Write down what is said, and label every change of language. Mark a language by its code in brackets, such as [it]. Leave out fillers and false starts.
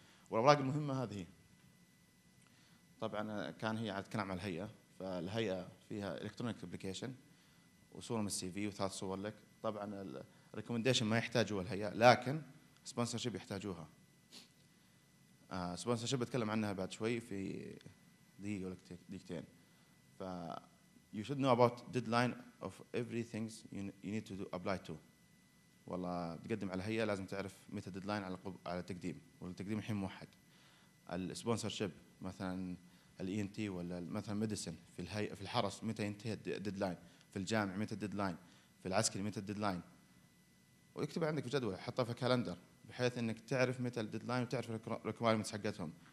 [ar] والاوراق المهمه هذه طبعا كان هي على كلام الهيئه، فالهيئة فيها إلكترونيك أبليكيشن وصورة من السي في و3 صور لك. طبعا ريكومنديشن ما يحتاجوها الهيئه، لكن سبونسرشيب يحتاجوها. سبونسرشيب بتكلم عنها بعد شوي في دقيقه ولا دقيقتين. [en] ف you should know about deadline of everything you need to do, apply to. [ar] والله تقدم على الهيئه لازم تعرف متى ديدلاين على التقديم، والتقديم الحين موحد. السبونسرشيب مثلا الاي ان تي ولا مثلا ميديسن في الهيئه في الحرس متى ينتهي الديدلاين، في الجامع متى الديدلاين، في العسكري متى الديدلاين، ويكتب عندك في جدول حطها في كالندر بحيث انك تعرف متى الديدلاين وتعرف الريكوايرمنتس حقتهم.